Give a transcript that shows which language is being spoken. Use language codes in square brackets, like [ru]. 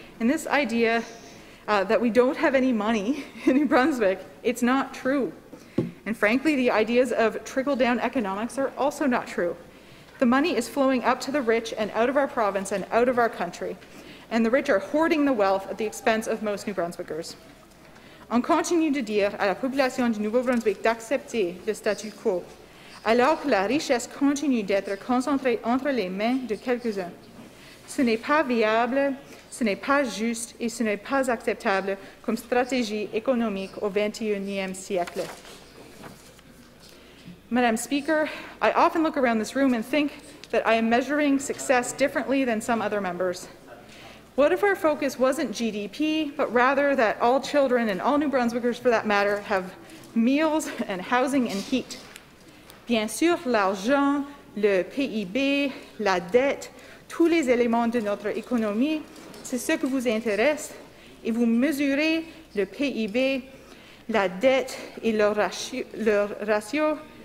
[en] And this idea that we don't have any money in New Brunswick, it's not true. And frankly, the ideas of trickle-down economics are also not true. The money is flowing up to the rich and out of our province and out of our country. And the rich are hoarding the wealth at the expense of most New Brunswickers. [fr] On continue de dire à la population du Nouveau-Brunswick d'accepter le statu quo, alors que la richesse continue d'être concentrée entre les mains de quelques-uns. Ce n'est pas viable, ce n'est pas juste et ce n'est pas acceptable comme stratégie économique au 21e siècle. [en] Madam Speaker, I often look around this room and think that I am measuring success differently than some other members. What if our focus wasn't GDP, but rather that all children and all New Brunswickers, for that matter, have meals and housing and heat? [fr] Bien sûr, l'argent, le PIB, la dette, tous les éléments de notre économie, c'est ce que vous intéresse. Et vous mesurez le PIB, la dette et leur ratio.